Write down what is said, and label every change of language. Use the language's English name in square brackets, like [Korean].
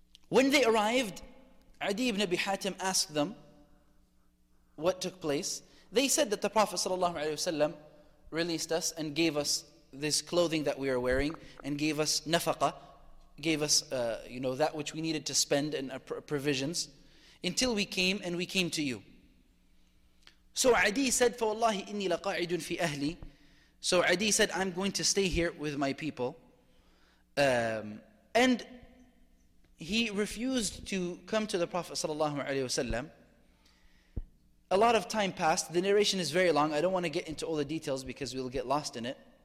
[English] When they arrived, Adi ibn Abi Hatim asked them what took place. They said that the Prophet ﷺ released us and gave us this clothing that we are wearing and gave us nafaqa, gave us that which we needed to spend and provisions until we came and we came to you. So Adi said, [Arabic] فَوَاللَّهِ إِنِّي لَقَاعِدٌ فِي أَهْلِي. [English] So Adi said, I'm going to stay here with my people. And he refused to come to the Prophet ﷺ. A lot of time passed. The narration is very long. I don't want to get into all the details because we'll get lost in it.